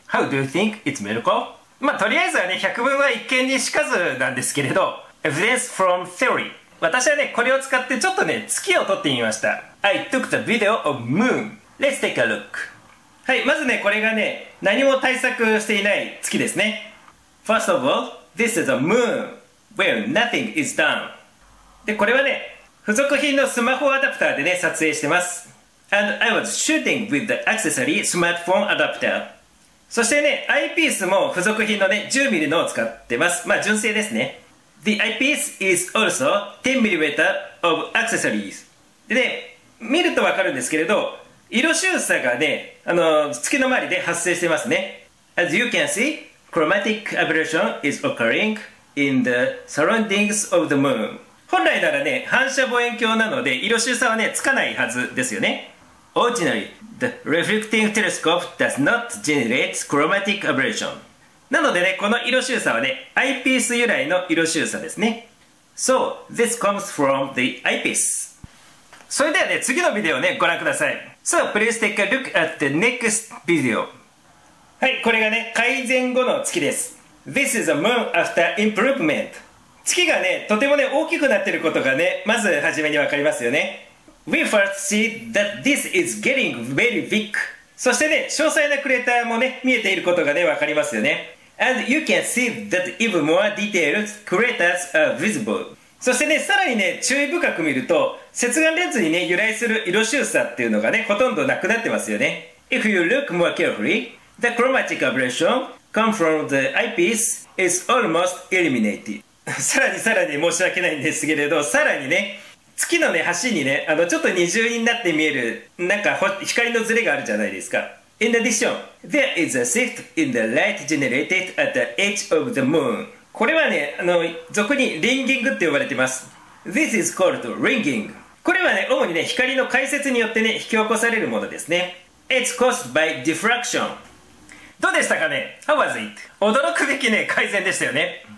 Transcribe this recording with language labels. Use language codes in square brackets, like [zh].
[en] How do you think it's medical? [ja] まあ、とりあえずはね、百聞は一見にしかずなんですけれど、 [en] Evidence from theory. [ja] 私はね、これを使ってちょっとね、月を撮ってみました。 [en] I took the video of moon. Let's take a look. [ja] はい、まずね、これがね、何も対策していない月ですね。 [en] First of all, this is a moon where nothing is done. [ja] で、これはね、付属品のスマホアダプターでね、撮影してます。 [en] And I was shooting with the accessory smartphone adapter. [ja] そしてね、アイピースも付属品のね、10mm のを使ってます。まあ、純正ですね。 [en] The eyepiece is also 10mm of accessories. [ja] でね、見るとわかるんですけれど、色収差がね、月の周りで発生してますね。 [en] As you can see, chromatic aberration is occurring in the surroundings of the moon. [ja] 本来ならね、反射望遠鏡なので、色収差はね、つかないはずですよね。 [en] Ordinary, the reflecting telescope does not generate chromatic aberration. [ja] なのでね、この色周差はね、アイピース由来の色周差ですね。 [en] So, this comes from the eyepiece. [ja] それではね、次のビデオをね、ご覧ください。 [en] So, please take a look at the next video. [ja] はい、これがね、改善後の月です。 [en] This is a moon after improvement. [ja] 月がね、とてもね、大きくなっていることがね、まずはじめにわかりますよね。 [en] We first see that this is getting very big. [ja] そしてね、詳細なクレーターもね、見えていることがね、わかりますよね。 [en] And you can see that even more detailed craters are visible. [ja] そしてね、さらにね、注意深く見ると、接眼レンズにね、由来する色周差っていうのがね、ほとんどなくなってますよね。 [en] If you look more carefully, the chromatic aberration come from the eyepiece is almost eliminated. [ja] さらに申し訳ないんですけれど、さらにね、月のね、端にね、ちょっと二重になって見える、なんか、光のズレがあるじゃないですか。 [en] In addition, there is a shift in the light generated at the edge of the moon. [ja] これはね、俗にリンギングって呼ばれています。 [en] This is called ringing. [ja] これはね、主にね、光の解説によってね、引き起こされるものですね。 [en] It's caused by diffraction. [ja] どうでしたかね ? [en] How was it? [ja] 驚くべきね、改善でしたよね。